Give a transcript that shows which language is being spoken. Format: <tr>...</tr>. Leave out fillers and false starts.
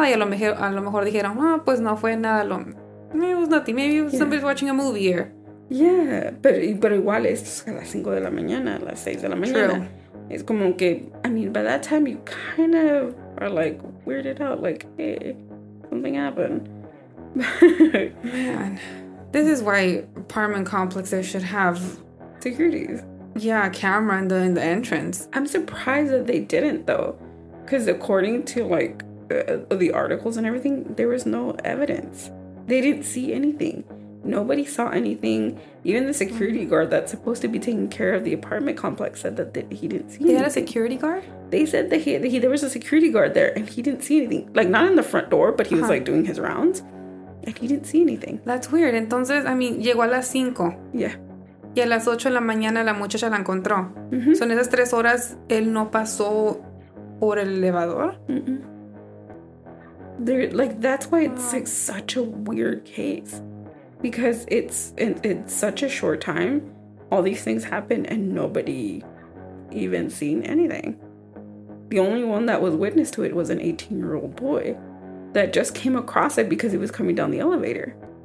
<es>Y a lo mejor dijeron, oh, pues no fue nada.</es> <en>Maybe it was nothing. Maybe somebody's watching a movie here. Yeah.</en> <es>Pero igual es a las 5 de la mañana, a las 6 de la mañana.</es> <en>True. It's</en> <es>como que,</es> <en>by that time, you kind of are like weirded out. Like, hey, something happened. Man. This is why apartment complexes should have securities. Yeah, camera in the entrance. I'm surprised that they didn't, though. Because according to, the articles and everything, there was no evidence. They didn't see anything. Nobody saw anything. Even the security guard that's supposed to be taking care of the apartment complex said that he didn't see anything. They had a security guard? They said that there was a security guard there, and he didn't see anything. Like, not in the front door, but he was, doing his rounds. And he didn't see anything. That's weird.</en> <es>Entonces, llegó a las 5.</es> <en>Yeah.</en> <es>Y a las 8 de la mañana la muchacha la encontró. Mm-hmm. So en esas 3 horas, él no pasó por el elevador.</es> <en>Mm-hmm. That's why it's such a weird case. because it's such a short time. All these things happen and nobody even seen anything. The only one that was witness to it was an 18-year-old boy that just came across it because he was coming down the elevator.</en>